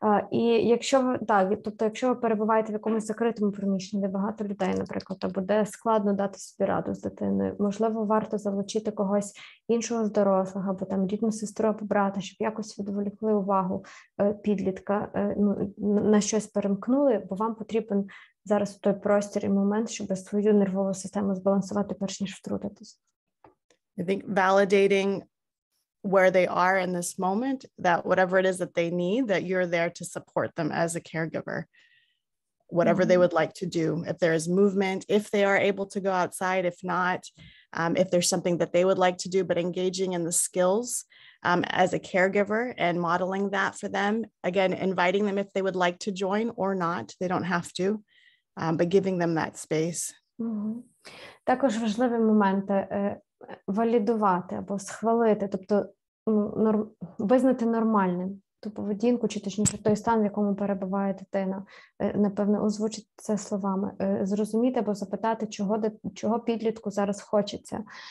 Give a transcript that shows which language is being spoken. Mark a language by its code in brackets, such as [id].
[uk] І якщо якщо ви перебуваєте в якомусь закритому приміщенні, де багато людей, наприклад, то буде складно дати собі раду з дитиною, можливо, варто залучити когось іншого з дорослих, або там рідну сестру або брата, щоб якось відволікли увагу підлітка, на щось перемкнули, бо вам потрібен зараз той простір і момент, щоб свою нервову систему збалансувати, перш ніж втрутитись. [en] I think validating where they are in this moment, that whatever it is that they need, that you're there to support them as a caregiver, whatever mm-hmm. they would like to do, if there is movement, if they are able to go outside, if not, if there's something that they would like to do, but engaging in the skills as a caregiver and modeling that for them, again, inviting them if they would like to join or not, they don't have to, but giving them that space. Mm-hmm. [uk] Також важливий момент, валідувати або схвалити, тобто визнати нормальним ту поведінку, чи точніше той стан, в якому перебуває дитина, напевно, озвучити це словами, зрозуміти або запитати, чого підлітку зараз хочеться.